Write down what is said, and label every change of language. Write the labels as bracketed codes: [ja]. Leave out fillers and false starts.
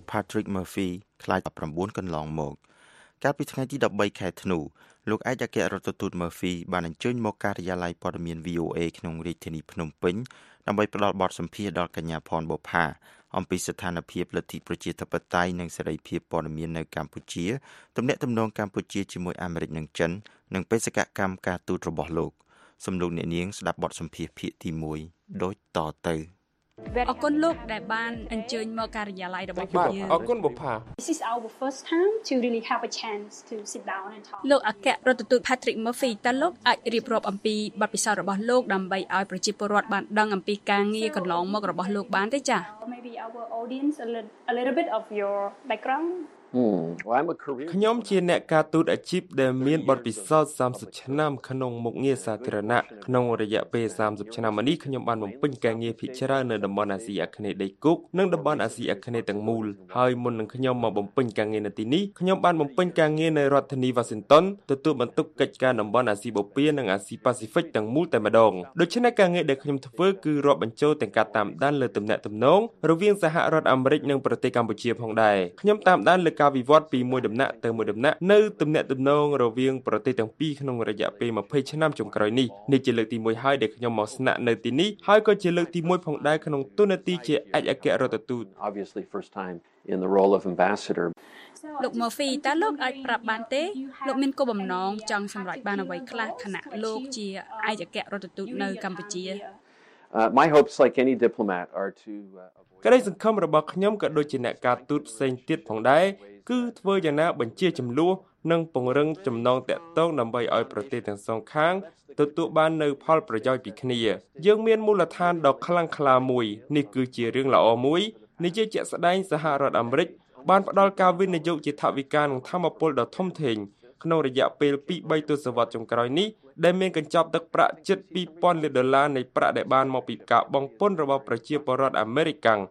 [km] Patrick Murphy ខ្លាច19កន្លងមកកាលពីថ្ងៃទី13ខែធ្នូលោកឯកអគ្គរដ្ឋទូត Murphy បានអញ្ជើញមកការិយាល័យព័ត៌មាន VOA ក្នុងរាជធានីភ្នំពេញដើម្បីផ្ដល់បទសម្ភាសដល់កញ្ញាផនបុប្ផាអំពីស្ថានភាពលទ្ធិប្រជាធិបតេយ្យនិងសេរីភាពព័ត៌មាននៅកម្ពុជាទំនាក់ទំនងកម្ពុជាជាមួយអាមេរិកនិងចិននិងបេសកកម្មការទូតរបស់លោកសំលោកអ្នកនាងស្ដាប់បទសម្ភាសភាគទី1ដូចតទៅ អរគុណលោកដែលបានអញ្ជើញមកការិយាល័យរបស់យើង អរគុណបុប្ផា [en] This is our first time to really have a chance to sit down and talk [km] លោកអគ្គរដ្ឋទូត Patrick Murphy តើលោកអាចរៀបរាប់អំពីបទពិសោធន៍របស់លោកដើម្បីឲ្យប្រជាពលរដ្ឋបានដឹងអំពីការងារកន្លងមករបស់លោកបានទេចា [en] Maybe our audience a little bit of your background [km] ខ្ញុំជាអ្នកការទូតអាជីពដែលមានបទពិសោធន៍30ឆ្នាំក្នុងមុខងារសាធារណៈក្នុងរយៈពេល30ឆ្នាំនេះខ្ញុំបានបំពេញការងារភាគច្រើននៅតំបន់អាស៊ីអាគ្នេយ៍ដីគោកនិងតំបន់អាស៊ីអាគ្នេយ៍ទាំងមូល ហើយមុននឹងខ្ញុំមកបំពេញការងារនៅទីនេះខ្ញុំបានបំពេញការងារនៅរដ្ឋធានីវ៉ាស៊ីនតោនទទួលបន្ទុកកិច្ចការតំបន់អាស៊ីបូព៌ានិងអាស៊ីប៉ាស៊ីហ្វិកទាំងមូលតែម្ដងដូច្នេះការងារដែលខ្ញុំធ្វើគឺរាប់បញ្ចូលទាំងការតាមដានលើទំនាក់ទំនងរវាងសហរដ្ឋអាមេរិកនិងប្រទេសកម្ពុជាផងដែរខ្ញុំតាមដានការវិវត្តពីមួយដំណាក់ទៅមួយដំណាក់នៅទំនាក់ទំនងរវាងប្រទេសទាំងពីរក្នុងរយៈពេល20ឆ្នាំចុងក្រោយនេះនេះជាលើកទី1ហើយដែលខ្ញុំមកស្នាក់នៅទីនេះហើយក៏ជាលើកទី1ផងដែរក្នុងតួនាទីជាឯកអគ្គរដ្ឋទូត [en] Obviously first time in the role of ambassador [km] លោក Murphy តើលោកអាចប្រាប់បានទេលោកមានគោលបំណងចង់សម្រេចបានអ្វីខ្លះខណៈលោកជាឯកអគ្គរដ្ឋទូតនៅកម្ពុជា [en] My hopes like any diplomat are to [km] ក្តីសង្ឃឹមរបស់ខ្ញុំក៏ដូចជាអ្នកការទូតផ្សេងទៀតផងដែរគឺធ្វើយ៉ាងណាបញ្ជាចំនួននិងពង្រឹងចំណងតាក់ទងដើម្បីឲ្យប្រទេសទាំងសងខាងទទួលបាននូវផលប្រយោជន៍ពីគ្នា យើងមានមូលដ្ឋានដ៏ខ្លាំងក្លាមួយនេះគឺជារឿងល្អមួយនិយាយជាក់ស្ដែងសហរដ្ឋអាមេរិកបានផ្ដល់ការវិនិយោគជាថវិកានិងធម្មពលដ៏ធំធេងក្នុងរយៈពេល 2-3 ទសវត្សរ៍ចុងក្រោយនេះដែលមានកញ្ចប់ទឹកប្រាក់ជិត 2,000 លានដុល្លារនៃប្រាក់ដែលបានមកពីការបង់ពន្ធរបស់ប្រជាពលរដ្ឋអាមេរិក